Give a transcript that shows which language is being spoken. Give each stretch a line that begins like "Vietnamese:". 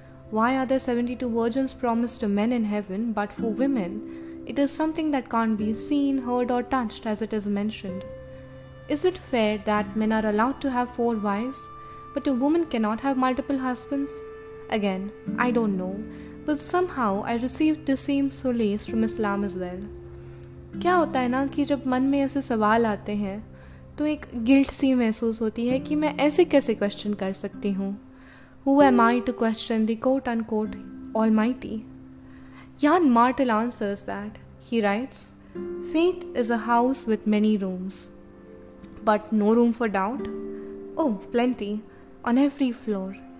English: Why are there 72 virgins promised to men in heaven, but for women, it is something that can't be seen, heard or touched as it is mentioned? Is it fair that men are allowed to have 4 wives, but a woman cannot have multiple husbands? Again, I don't know, but somehow I received the same solace from Islam as well.
Hindi: क्या होता है ना कि जब मन में ऐसे सवाल आते हैं तो एक गिल्ट सी महसूस होती है कि मैं ऐसे कैसे क्वेश्चन कर सकती हूँ.
English: Who am I to question the quote unquote almighty? Jan Martel answers that. He writes, Faith is a house with many rooms. But no room for doubt? Oh, plenty. On every floor.